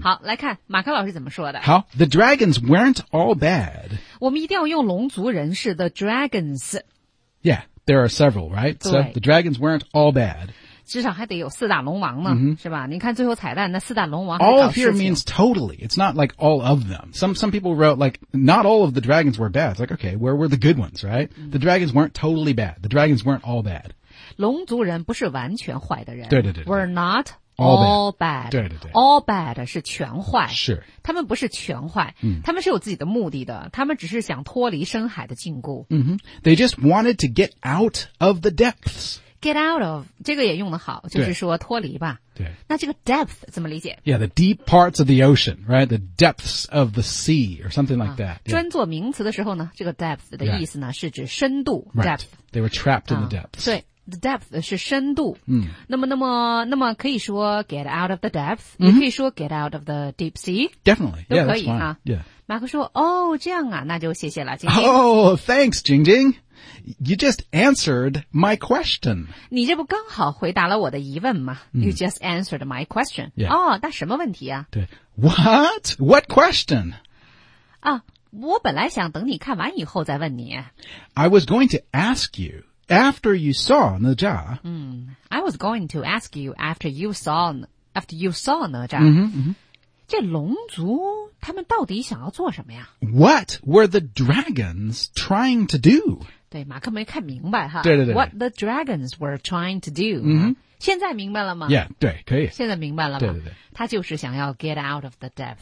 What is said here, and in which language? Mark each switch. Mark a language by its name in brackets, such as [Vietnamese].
[Chinese] 好，来看马克老师怎么说的。 [English] 好 ，The dragons weren't all bad. [Chinese] 我们一定要用龙族人士 [English] the dragons. Yeah, there are several, right? So the dragons weren't all bad. [Chinese] 至少还得有四大龙王呢， mm-hmm. 是吧？你看最后彩蛋，那四大龙王。 [English] All here means totally. It's not like all of them. Some people wrote like not all of the dragons were bad. It's like okay, where were the good ones, right?、 Mm-hmm. The dragons weren't totally bad. The dragons weren't all bad. [Chinese] 龙族人不是完全坏的人。对对 对, 对。 [English] We're not all bad. [Chinese] 对对对。 All bad 是全坏。是。他们不是全坏。嗯。他们是有自己的目的的。他们只是想脱离深海的禁锢。嗯哼。 [English] They just wanted to get out of the depths. Get out of. [Chinese] 这个也用得好就是说脱离吧。对。对那这个 depth 怎么理解 [English] Yeah, the deep parts of the ocean, right? The depths of the sea, or something like that.、 [Chinese] Yeah. 专做名词的时候呢这个 depth 的意思呢、 [English] right. [Chinese] 是指深度 depth.、 [English] Right. They were trapped in the depths.、 [Chinese] 对。The depth 是深度、嗯、那么可以说 [English] get out of the depth、嗯、 [Chinese] 也可以说 [English] get out of the deep sea Definitely [Chinese] 都可以 [English] yeah, 啊、 yeah. [Chinese] 马克说哦这样啊那就谢谢了 [English] Oh thanks 晶晶 You just answered my question [Chinese] 你这不刚好回答了我的疑问吗、嗯、 [English] You just answered my question、 yeah. [Chinese] 哦那什么问题啊 [English] 对 What? What question? [Chinese] 啊我本来想等你看完以后再问你 [English] I was going to ask youAfter you saw Naja,、 I was going to ask you after you saw Naja,、 mm-hmm, mm-hmm. [Chinese] 这龙族他们到底想要做什么呀？ [English] What were the dragons trying to do? [Chinese] 对，马克没看明白哈。对对对。 [English] What the dragons were trying to do?、 Mm-hmm. [Chinese] 现在明白了吗？ Yeah, 对，可以。现在明白了吗？对对对。他就是想要 [English] get out of the depth.